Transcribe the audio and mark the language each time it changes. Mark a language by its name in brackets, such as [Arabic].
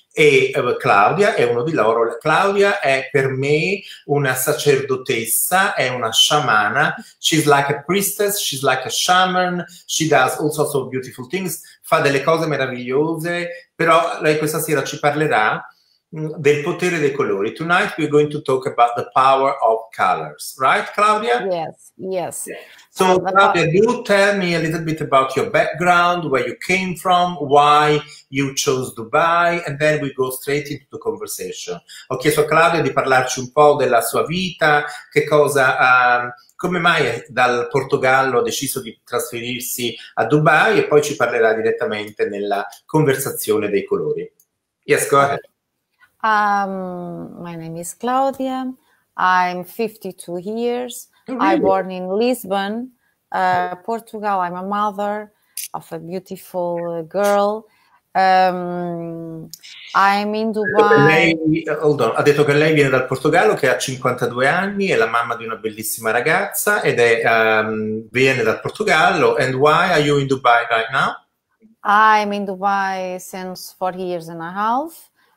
[Italian] E Claudia è uno di loro. Claudia è per me una sacerdotessa, è una sciamana. [English] She's like a priestess, she's like a shaman, she does all sorts of beautiful things, [Italian] fa delle cose meravigliose, però lei questa sera ci parlerà del potere dei colori. [English] Tonight we're going to talk about the power of colors, right Claudia? Yes. So Claudia, do tell me a little bit about your background, where you came from, why you chose Dubai, and then we go straight into the conversation. [Italian] Ho chiesto a Claudia di parlarci un po' della sua vita, che cosa, come mai dal Portogallo ha deciso di trasferirsi a Dubai, e poi ci parlerà direttamente nella conversazione dei colori. [English] Yes, go ahead. My name is Claudia. I'm 52 years. Really? I'm born in Lisbon, Portugal. I'm a mother of a beautiful girl. I'm in Dubai. [Italian] Ha detto che lei viene dal Portogallo, che ha 52 anni, è la mamma di una bellissima ragazza ed è viene dal Portogallo. [English] And why are you in Dubai right now? I'm in Dubai since 4 years and a half.